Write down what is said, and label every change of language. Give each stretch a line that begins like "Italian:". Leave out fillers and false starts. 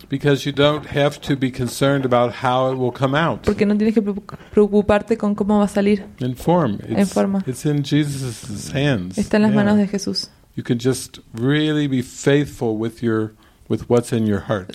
English: Because you don't have to be concerned about how it will come out.
Spanish: Porque no tienes que preocuparte con cómo va a salir.
English: In form. It's,
Spanish: en forma.
English: It's in Jesus' hands.
Spanish: Está en las yeah. manos de Jesús.
English: You can just really be faithful with your with what's in your heart.